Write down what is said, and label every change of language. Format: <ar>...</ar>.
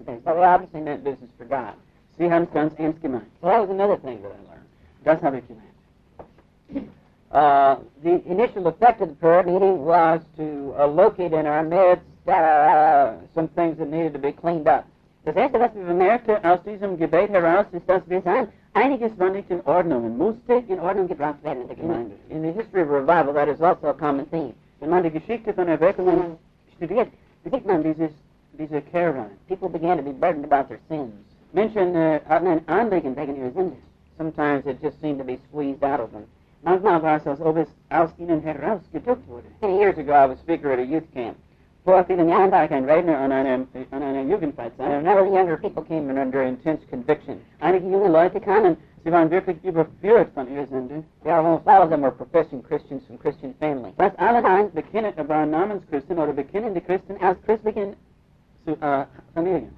<en>But we obviously meant business for God.</en> <de>Sie haben es ganz ernst gemeint.</de> <en>So that was another thing that I learned.</en> <de>Das habe ich gemeint.</de> <en>The initial effect of the prayer meeting was to locate in our midst some things that needed to be cleaned up.</en> <de>Das erste, was wir bemerkten aus diesem Gebet heraus, ist, dass wir sagen, einiges war nicht in Ordnung und musste in Ordnung gebracht werden in der Gemeinde.</de> <en>In the history of revival, that is also a common theme.</en> <de>Wenn man die Geschichte von Erweckungen studiert, sieht man diese Kehrwende.</de> <en>People began to be burdened about their sins.</en> <de>Menschen hatten ein Anliegen wegen ihrer Sünde.</de> <en>Sometimes it just seemed to be squeezed out of them.</en> <de>Manchmal war es, als ob es aus ihnen heraus gedrückt wurde.</de> <en>Many years ago, I was speaker at a youth camp.</en> <de>Vor vielen Jahren war ich ein Redner an einem Jugendfreizeit.</de> <en>And many younger people came in under intense conviction.</en> <de>Einige junge Leute kamen, sie waren wirklich überführt von ihrer Sünde.</de> <en>Yeah, almost all of them were professing Christians from Christian families.</en> <de>Fast alle waren bekennende, waren Namenschristen oder bekennende Christen aus christlichen Familien.</de>